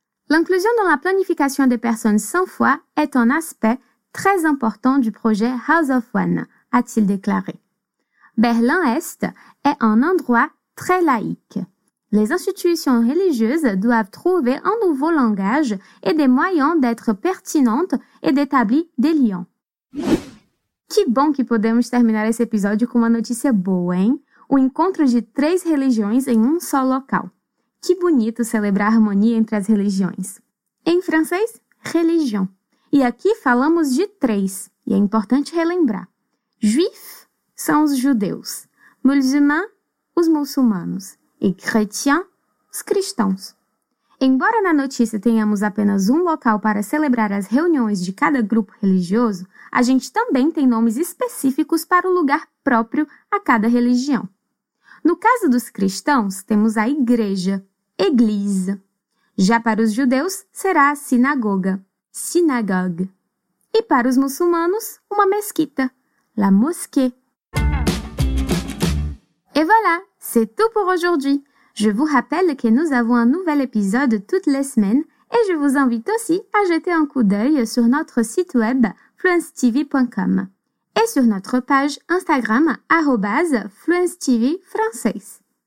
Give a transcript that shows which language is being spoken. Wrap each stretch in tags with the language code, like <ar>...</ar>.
<fr>L'inclusion dans la planification des personnes sans foi est un aspect très important du projet House of One, a-t-il déclaré. Berlin-Est est un endroit très laïque. Les institutions religieuses doivent trouver un nouveau langage et des moyens d'être pertinentes et d'établir des liens.</fr> <pt>Que bom que podemos terminar esse episódio com uma notícia boa, hein? O encontro de três religiões em um só local. Que bonito celebrar a harmonia entre as religiões. Em francês, religion. E aqui falamos de três, e é importante relembrar. Juifs são os judeus, musulmans, os muçulmanos, e chrétiens, os cristãos. Embora na notícia tenhamos apenas um local para celebrar as reuniões de cada grupo religioso, a gente também tem nomes específicos para o lugar próprio a cada religião. No caso dos cristãos, temos a igreja, église. Já para os judeus, será a sinagoga, synagogue. E para os muçulmanos, uma mesquita, la mosquée.</pt> <fr>Et voilà, c'est tout pour aujourd'hui. Je vous rappelle que nous avons un nouvel épisode toutes les semaines et je vous invite aussi à jeter un coup d'œil sur notre site web fluencetv.com et sur notre page Instagram @fluencetvfrançais.</fr>